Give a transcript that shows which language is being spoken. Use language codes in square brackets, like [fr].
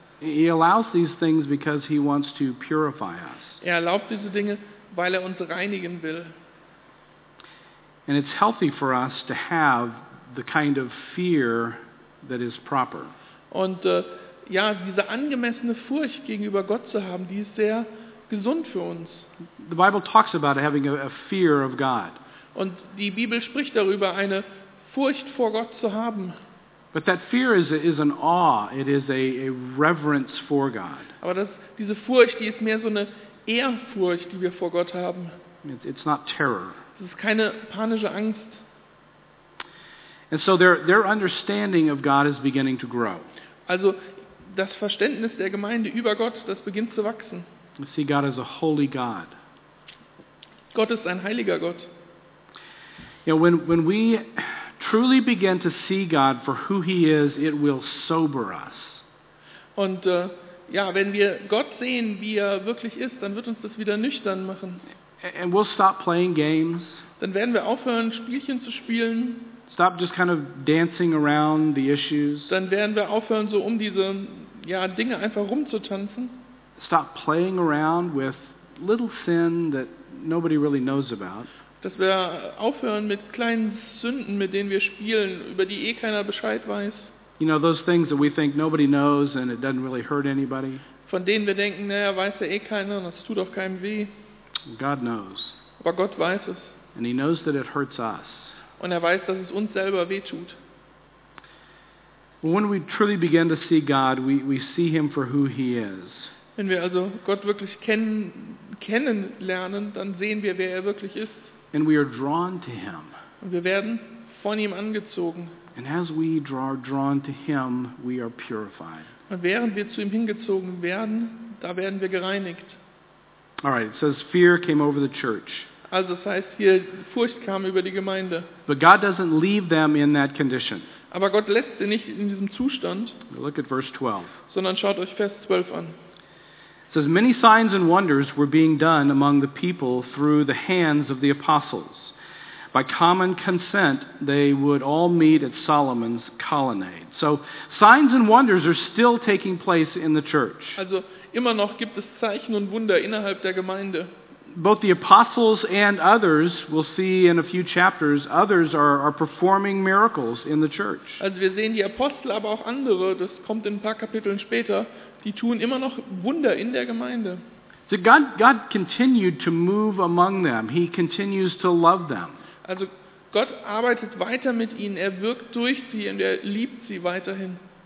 [en] He allows these things because he wants to purify us. [de] Er erlaubt diese Dinge, weil er uns reinigen will. [en] And it's healthy for us to have the kind of fear that is proper. [de] Und ja, diese angemessene Furcht gegenüber Gott zu haben, die ist sehr gesund für uns. [en] The Bible talks about having a fear of God. [de] Und die Bibel spricht darüber, eine Furcht vor Gott zu haben. [en] But that fear is an awe. It is a reverence for God. [de] Aber das, diese Furcht, die ist mehr so eine Ehrfurcht, die wir vor Gott haben. [en] It's not terror. [de] Das ist keine panische Angst. [en] And so their understanding of God is beginning to grow. [de] Also das Verständnis der Gemeinde über Gott, das beginnt zu wachsen. [en] You see, God is a holy God. [de] Gott ist ein heiliger Gott. [en] You know, when we truly begin to see God for who he is, it will sober us. [de] Und ja, wenn wir Gott sehen, wie er wirklich ist, dann wird uns das wieder nüchtern machen. [en] And we'll stop playing games. [de] Dann werden wir aufhören, Spielchen zu spielen. [en] Stop just kind of dancing around the issues. [de] Dann werden wir aufhören, so um diese ja Dinge einfach rumzutanzen. [en] Stop playing around with little sin that nobody really knows about. [de] Dass wir aufhören mit kleinen Sünden, mit denen wir spielen, über die eh keiner Bescheid weiß. [en] You know, those things that we think nobody knows and it doesn't really hurt anybody. [de] Von denen wir denken, naja, weiß ja eh keiner und es tut auch keinem weh. [en] God knows. [de] Aber Gott weiß es. [en] And he knows that it hurts us. [de] Und er weiß, dass es uns selber weh tut. [en] When we truly begin to see God, we see him for who he is. [de] Wenn wir also Gott wirklich kennenlernen, dann sehen wir, wer er wirklich ist. [en] And we are drawn to him. [de] Und wir werden von ihm angezogen. [en] And as we are drawn to him, we are purified. [de] Und während wir zu ihm hingezogen werden, da werden wir gereinigt. [en] All right, it says fear came over the church. [de] Also das heißt hier, Furcht kam über die Gemeinde. [en] But God doesn't leave them in that condition. [de] Aber Gott lässt sie nicht in diesem Zustand. [en] Look at verse 12. [de] Sondern schaut euch Vers 12 an. [en] It says, many signs and wonders were being done among the people through the hands of the apostles. By common consent, they would all meet at Solomon's colonnade. So signs and wonders are still taking place in the church. [de] Also immer noch gibt es Zeichen und Wunder innerhalb der Gemeinde. [en] Both the apostles and others, we'll see in a few chapters, others are performing miracles in the church. [de] Also wir sehen die Apostel, aber auch andere, das kommt in ein paar Kapiteln später, die tun immer noch Wunder in der Gemeinde. [en] So God continued to move among them. He continues to love them. [de] Also Gott arbeitet weiter mit ihnen, er wirkt durch sie und er liebt sie weiterhin.